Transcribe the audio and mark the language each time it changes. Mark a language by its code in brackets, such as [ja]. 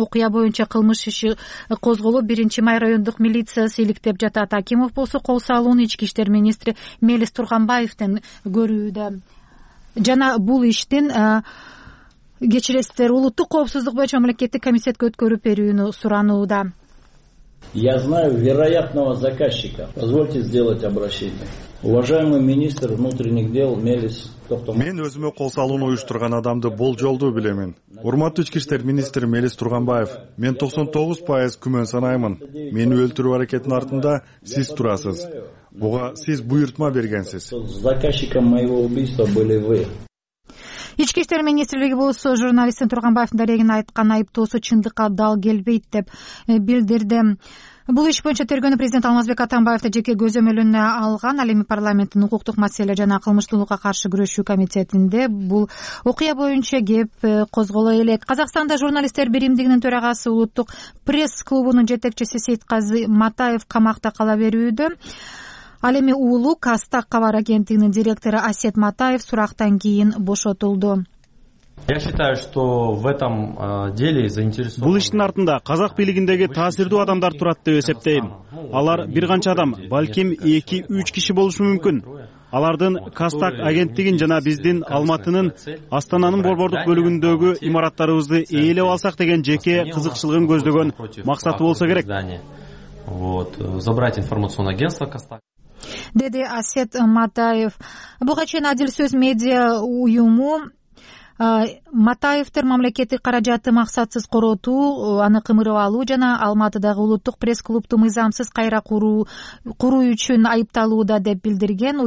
[ky] Окуя боюнча кылмыш иши козголуп, 1 май райондук милициясы иликтеп жатат. Акимов болсо кол салууну ички иштер министри Мелис Турганбаевден көрүүдө. Жана бул иштин кечиресиздер, улуттук коопсуздук боюнча мамлекеттик комитетке өткөрүп берүүнү суранууда. [ru] Я знаю вероятного заказчика. Позвольте сделать обращение. Уважаемый министр внутренних дел Мелис Токтомуров. [ky] Мен өзүмө кол салууну уюштурган адамды болжолдуу билемин. Урматтуу ички иштер министри Мелис Турганбаев, мен 99% күмөн санаймын. Мени өлтүрүү аракетинин артында сиз турасыз. Буга сиз буйрутма бергенсиз. [ru] Заказчиком моего убийства были вы. [ky] Ички иштер министрлиги болсо журналисттин Турганбаевдин дарегин айткан айыптоосу чындыкка дал келбейт деп билдирди. Бул иш боюнча тергөөнү президент Алмазбек Атамбаевди жеке көзөмөлүнө алган. Ал эми парламенттин укуктук маселелер жана кылмыштуулукка каршы күрөшүү комитетинде бул окуя боюнча кеп козголо элек. Казакстанда журналисттер биримдигинин төрагасы, улуттук пресс клубунун жетекчиси Сейтказы Матаев камакта кала берүүдө. Ал эми уулук Астак кабар агенттигинин директору Асет Матаев сурактан кийин бошотулду. [ru] Я считаю, что в этом деле заинтересован. [ky] Бул иштин артында казак бийлигиндеги таасирдүү адамдар турат деп эсептейм. Алар бир канча адам, балким 2-3 киши болушу мүмкүн. Алардын Кастак агенттигин жана биздин Алматынын Астананын борбордук бөлүгүндөгү имараттарыбызды ээлеп алсак деген жеке кызыкчылыгын көздөгөн максаты болсо керек. [ru] Вот, забрать информационное агентство Кастак. [ky] Деди Асет Матаев. Буга чейин Адил сөз медиа уюму Матаевдер мамлекеттик каражатты максатсыз коротуу, аны кымырып алуу жана Алматыдагы улуттук пресс клубту мыйзамсыз кайра куруу үчүн айыпталууда деп билдирген.